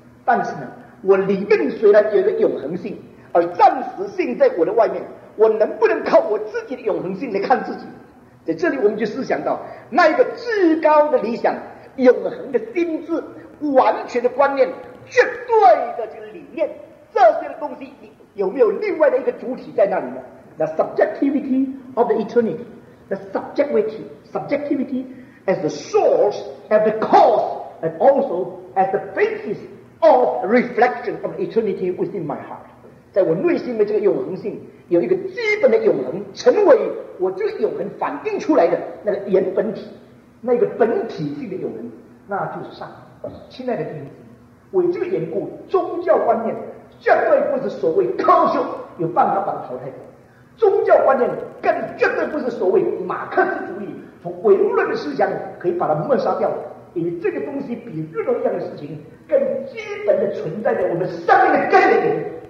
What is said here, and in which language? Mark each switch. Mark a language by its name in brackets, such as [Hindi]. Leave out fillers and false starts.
[Chinese] 但是呢，我里面虽然有个永恒性，而暂时性在我的外面，我能不能靠我自己的永恒性来看自己？在这里我们就思想到那一个至高的理想，永恒的心智，完全的观念，绝对的这个理念，这些的东西有没有另外的一个主体在那里呢？ [English] The subjectivity of the eternity, the subjectivity, subjectivity as the source and the cause and also as the basis of reflection of eternity within my heart。 [Chinese] 在我内心的这个永恒性有一个基本的永恒，成为我这个永恒反映出来的那个原本体，那个本体性的永恒，那就是上帝。亲爱的弟兄姊妹，为这个缘故，宗教观念绝对不是所谓科学有办法把它淘汰掉，宗教观念更绝对不是所谓马克思主义从唯物论的思想可以把它抹杀掉的，因为这个东西比任何一样的事情更基本的存在在我们生命的根源里面。